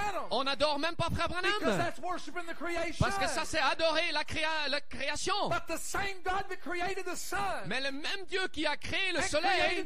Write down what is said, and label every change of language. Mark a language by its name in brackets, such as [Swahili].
[French] On n'adore même pas Frère Branham parce que ça c'est adorer la création. [English] But the same God that created the sun, [French] mais le même Dieu qui a créé le soleil,